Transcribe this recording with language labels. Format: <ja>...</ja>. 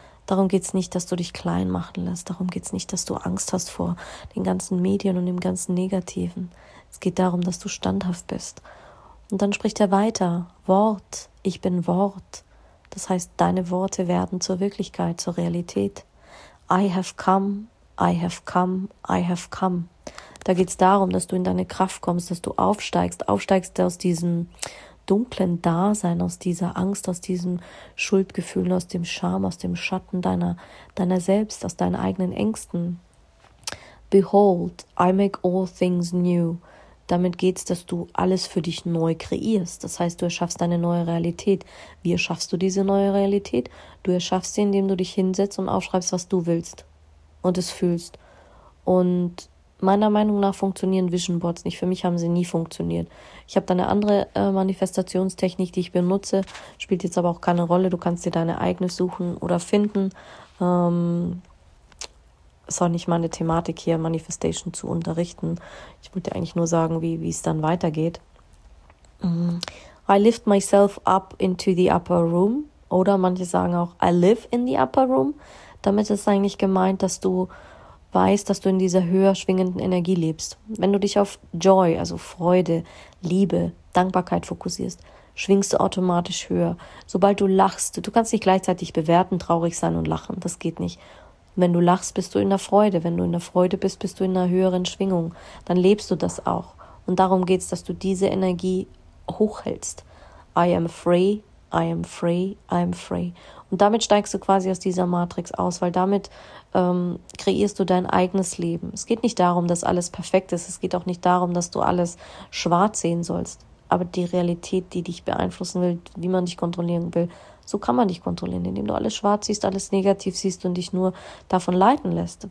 <de>Darum geht's nicht, dass du dich klein machen lässt. Darum geht's nicht, dass du Angst hast vor den ganzen Medien und dem ganzen Negativen. Es geht darum, dass du standhaft bist. Und dann spricht er weiter. Wort, ich bin Wort. Das heißt, deine Worte werden zur Wirklichkeit, zur Realität.</de> <en>I have come, I have come, I have come.</en> <de>Da geht's darum, dass du in deine Kraft kommst, dass du aufsteigst aus diesem dunklen Dasein, aus dieser Angst, aus diesen Schuldgefühlen, aus dem Scham, aus dem Schatten deiner selbst, aus deinen eigenen Ängsten.</de> <en>Behold, I make all things new.</en> <de>Damit geht's, dass du alles für dich neu kreierst. Das heißt, du erschaffst eine neue Realität. Wie erschaffst du diese neue Realität? Du erschaffst sie, indem du dich hinsetzt und aufschreibst, was du willst und es fühlst. Und meiner Meinung nach funktionieren Vision Boards nicht. Für mich haben sie nie funktioniert. Ich habe da eine andere Manifestationstechnik, die ich benutze. Spielt jetzt aber auch keine Rolle. Du kannst dir deine eigene suchen oder finden. Ist auch nicht meine Thematik hier, Manifestation zu unterrichten. Ich wollte eigentlich nur sagen, wie es dann weitergeht.</de> <en>I lift myself up into the upper room.</en> <de>Oder manche sagen auch,</de> <en>I live in the upper room.</en> <de>Damit ist eigentlich gemeint, dass du weißt, dass du in dieser höher schwingenden Energie lebst. Wenn du dich auf Joy, also Freude, Liebe, Dankbarkeit fokussierst, schwingst du automatisch höher. Sobald du lachst, du kannst nicht gleichzeitig bewerten, traurig sein und lachen. Das geht nicht. Wenn du lachst, bist du in der Freude. Wenn du in der Freude bist, bist du in einer höheren Schwingung. Dann lebst du das auch. Und darum geht's, dass du diese Energie hochhältst.</de> <en>I am free, I am free, I am free.</en> <de>Und damit steigst du quasi aus dieser Matrix aus, weil damit kreierst du dein eigenes Leben. Es geht nicht darum, dass alles perfekt ist. Es geht auch nicht darum, dass du alles schwarz sehen sollst. Aber die Realität, die dich beeinflussen will, wie man dich kontrollieren will, so kann man dich kontrollieren, indem du alles schwarz siehst, alles negativ siehst und dich nur davon leiten lässt.</de>